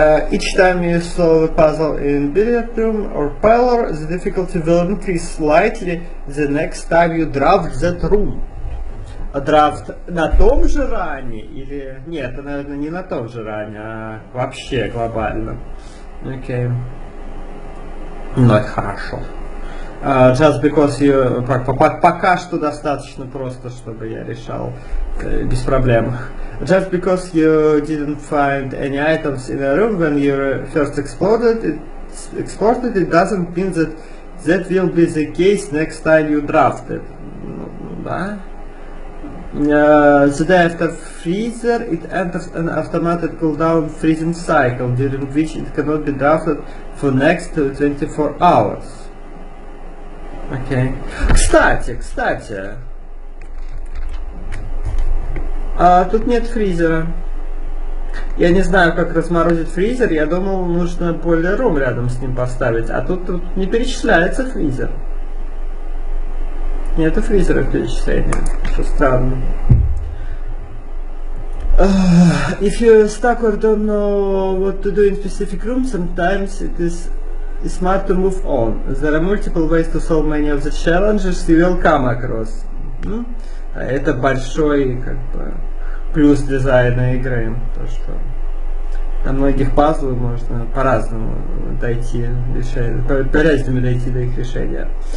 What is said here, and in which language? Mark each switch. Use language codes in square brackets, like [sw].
[en] Each time you solve a puzzle in billiard room or parlor, the difficulty will increase slightly the next time you draft that room. A draft [ru] на том же ране или... Нет, это, наверное, не на том же ране, а вообще глобально. Окей. Ну, это хорошо. [en] Just because you... [ru] Пока что достаточно просто, чтобы я решал без проблем. [en] Just because you didn't find any items in a room when you first explored it, doesn't mean that will be the case next time you draft it. [ru] Да? [en] The day after freezer, it enters an automatic cooldown freezing cycle during which it cannot be drafted for next 24 hours. Okay. [ru] Кстати, А тут нет фризера. Я не знаю, как разморозить фризер. Я думал, нужно бойлер-рум рядом с ним поставить. А тут не перечисляется фризер. Нету фризера в перечислении. Что странно. [en] If you're stuck or don't know what to do in specific room, sometimes it is smart to move on. There are multiple ways to solve many of the challenges you will come across. [ru] Это большой, как бы, плюс дизайна игры, то что на многих пазлах можно по-разному дойти, по-разному дойти до их решения.